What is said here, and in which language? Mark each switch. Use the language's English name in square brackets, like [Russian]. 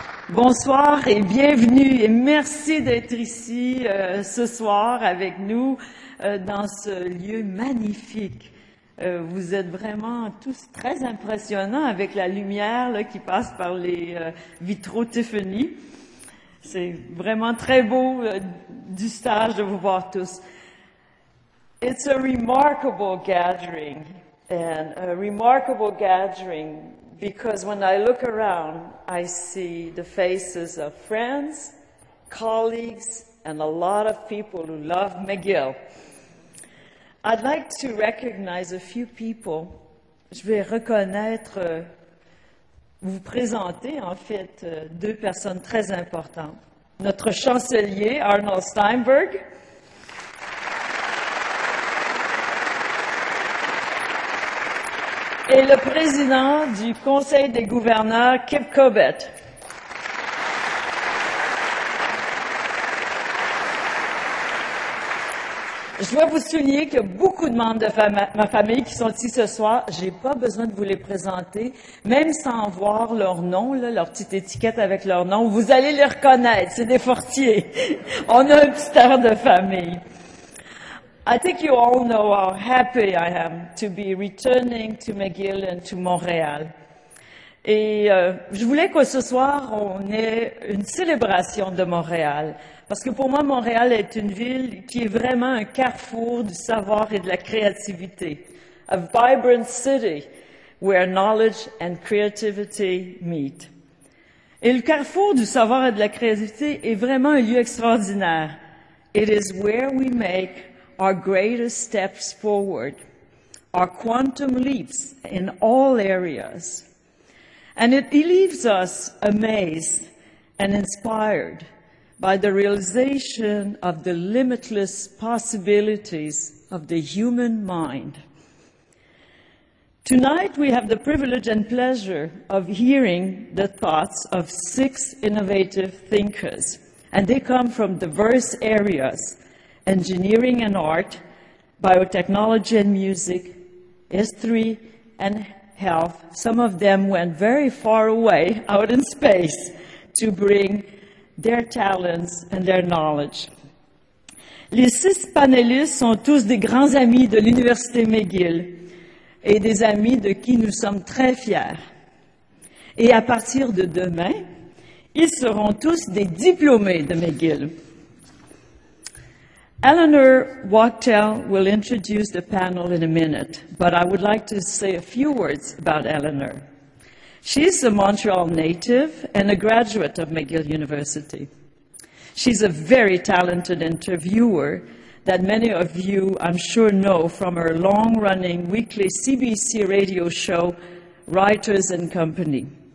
[French] Bonsoir et bienvenue et merci d'être ici ce soir avec nous dans ce lieu magnifique. Vous êtes vraiment tous très impressionnants avec la lumière là, qui passe par les vitraux Tiffany. C'est vraiment très beau du stage de vous voir tous. [English] It's a remarkable gathering and a remarkable gathering because when I look around, I see the faces of friends, colleagues, and a lot of people who love McGill. I'd like to recognize a few people. [French] Je vais reconnaître, vous présenter en fait deux personnes très importantes. Notre chancelier, Arnold Steinberg. Et le président du Conseil des gouverneurs, Kip Cobet. Je dois vous souligner qu'il y a beaucoup de membres de ma famille qui sont ici ce soir. Je n'ai pas besoin de vous les présenter, même sans voir leur nom, là, leur petite étiquette avec leur nom. Vous allez les reconnaître, c'est des Fortiers. On a un petit air de famille. [English] I think you all know how happy I am to be returning to McGill and to Montréal. [French] Et je voulais que ce soir, on ait une célébration de Montréal. Parce que pour moi, Montréal est une ville qui est vraiment un carrefour du savoir et de la créativité. [English] A vibrant city where knowledge and creativity meet. [French] Et le carrefour du savoir et de la créativité est vraiment un lieu extraordinaire. [English] It is where we make our greatest steps forward, our quantum leaps in all areas. And it leaves us amazed and inspired by the realization of the limitless possibilities of the human mind. Tonight, we have the privilege and pleasure of hearing the thoughts of six innovative thinkers, and they come from diverse areas: engineering and art, biotechnology and music, history and health. Some of them went very far away out in space to bring their talents and their knowledge. [French] Les six panélistes sont tous des grands amis de l'Université McGill et des amis de qui nous sommes très fiers. Et à partir de demain, ils seront tous des diplômés de McGill. [English] Eleanor Wachtel will introduce the panel in a minute, but I would like to say a few words about Eleanor. She's a Montreal native and a graduate of McGill University. She's a very talented interviewer that many of you, I'm sure, know from her long-running weekly CBC radio show, Writers and Company.